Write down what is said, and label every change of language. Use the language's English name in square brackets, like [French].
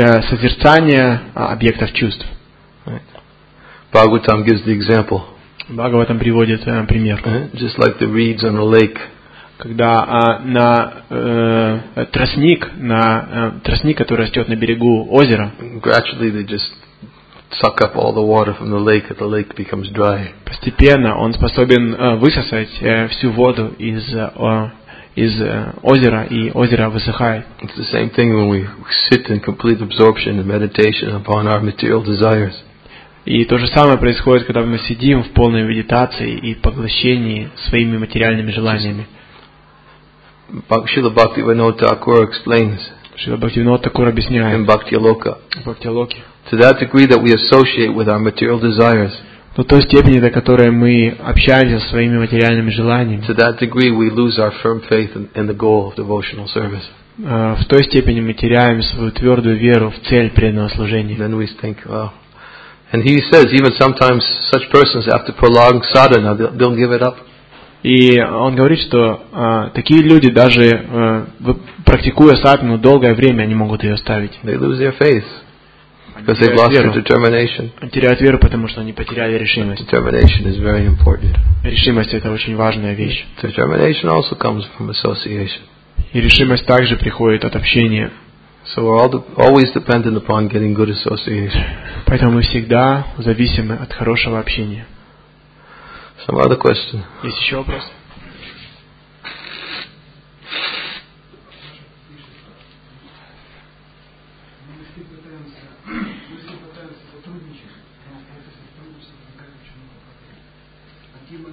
[Russian] Созерцание объектов чувств. [English] Бхагаватам gives the example. [Russian] Бхагаватам приводит пример. [English] Just like the reeds on a lake. [Russian] Когда на тростник, который растет на берегу озера. [English] Gradually they just suck up all the water from the lake, and the lake becomes dry. [Russian] Постепенно он способен высосать всю воду из озера, и озеро высыхает. [English] It's the same thing when we sit in complete absorption and meditation upon our material desires. [Russian] И то же самое происходит, когда мы сидим в полной медитации и поглощении своими материальными желаниями. [English] Шрила Бхактивинода Тхакура explains. [Russian] Шрила Бхактивинода Тхакура объясняет. [English] In Bhakti Loka. [Russian] Bhakti Loki. [English] To that degree that we associate with our material desires. [Russian] До той степени, до которой мы общаемся со своими материальными желаниями. [English] To that degree we lose our firm faith in the goal of devotional service. [Russian] В той степени мы теряем свою твердую веру в цель преданного служения. [English] Then we think, well. And he says even sometimes such persons after prolonged sadhana they'll give it up. [Russian] И он говорит, что такие люди даже практикуя садхану долгое время, они могут ее оставить. [English] They lose their faith. Because they've lost their determination. [Russian] Они теряют веру, потому что они потеряли решимость. [English] Determination is very important. [Russian] Решимость – это очень важная вещь. [English] Determination also comes from association. [Russian] И решимость также приходит от общения. [English] So we're always dependent upon getting good association. [Russian] Поэтому мы всегда зависимы от хорошего общения. [English] Some other question? [Russian] Есть еще вопрос? Мы с ним пытаемся сотрудничать, но это сотрудничество, как